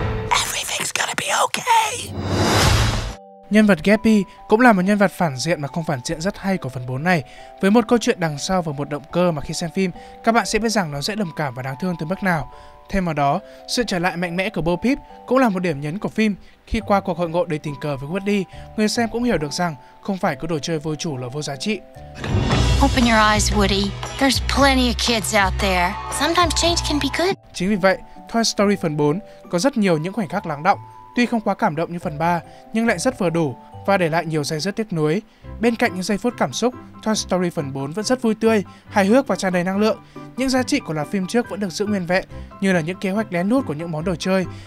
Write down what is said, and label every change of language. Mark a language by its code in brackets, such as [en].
[en] Everything's gonna be okay. [vi] Nhân vật Gappy cũng là một nhân vật phản diện mà không phản diện rất hay của phần 4 này, với một câu chuyện đằng sau và một động cơ mà khi xem phim, các bạn sẽ biết rằng nó dễ đồng cảm và đáng thương tới mức nào. Thêm vào đó, sự trở lại mạnh mẽ của Bo Peep cũng là một điểm nhấn của phim. Khi qua cuộc hội ngộ đầy tình cờ với Woody, người xem cũng hiểu được rằng không phải cứ đồ chơi vô chủ là vô giá trị. [en] Open your eyes, Woody. There's plenty of kids out there. Sometimes change can be good. [vi] Chính vì vậy, Toy Story phần 4 có rất nhiều những khoảnh khắc lắng đọng, tuy không quá cảm động như phần 3, nhưng lại rất vừa đủ và để lại nhiều giây rất tiếc nuối. Bên cạnh những giây phút cảm xúc, Toy Story phần 4 vẫn rất vui tươi, hài hước và tràn đầy năng lượng. Những giá trị của loạt phim trước vẫn được giữ nguyên vẹn, như là những kế hoạch lén lút của những món đồ chơi.